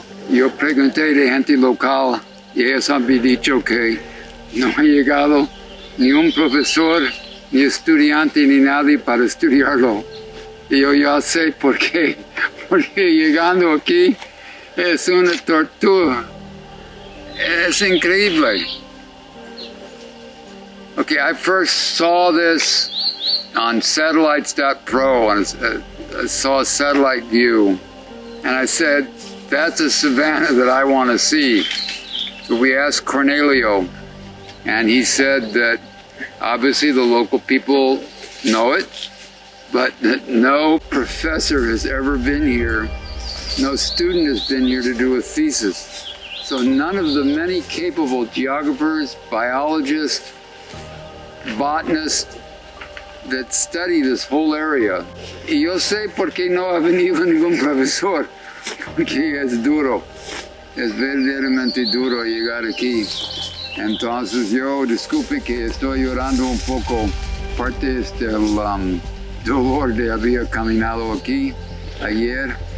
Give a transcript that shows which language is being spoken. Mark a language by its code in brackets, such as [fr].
[es] Yo pregunté a gente local y ellos han dicho que no ha llegado ni un profesor, ni estudiante, ni nadie para estudiarlo. Y yo ya sé por qué, porque llegando aquí es una tortura. Es increíble. [en] Okay, I first saw this on satellites.pro, and I saw a satellite view, and I said, that's a savanna that I want to see. So we asked Cornelio, and he said that obviously the local people know it, but that no professor has ever been here, no student has been here to do a thesis. So none of the many capable geographers, biologists, botanists that study this whole area. [es] Y yo sé por qué no ha venido ningún profesor, porque es duro, es verdaderamente duro llegar aquí. Entonces yo, disculpe que estoy llorando un poco, parte del dolor de haber caminado aquí ayer.